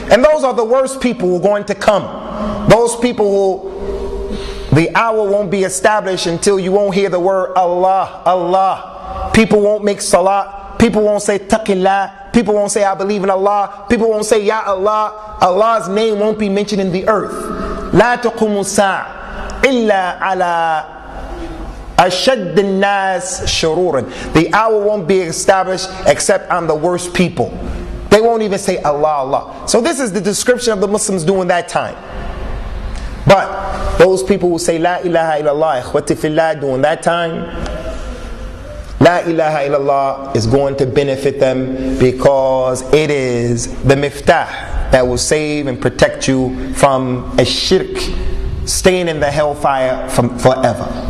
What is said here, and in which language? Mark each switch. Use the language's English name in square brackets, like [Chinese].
[English] And those are the worst people who are going to come. Those people who the hour won't be established until you won't hear the word Allah, Allah. People won't make salah. People won't say taqillah. People won't say, I believe in Allah. People won't say, Ya Allah. Allah's name won't be mentioned in the earth. [Arabic] لا تقوم الساعة إلا على أشد الناس شرورا. [English] The hour won't be established except on the worst people. They won't even say Allah, Allah. So this is the description of the Muslims during that time. But those people who say, La ilaha illallah, [Arabic] إخوتي في الله, [English] during that time, La ilaha illallah is going to benefit them because it is the miftah that will save and protect you from a shirk, staying in the hellfire from forever.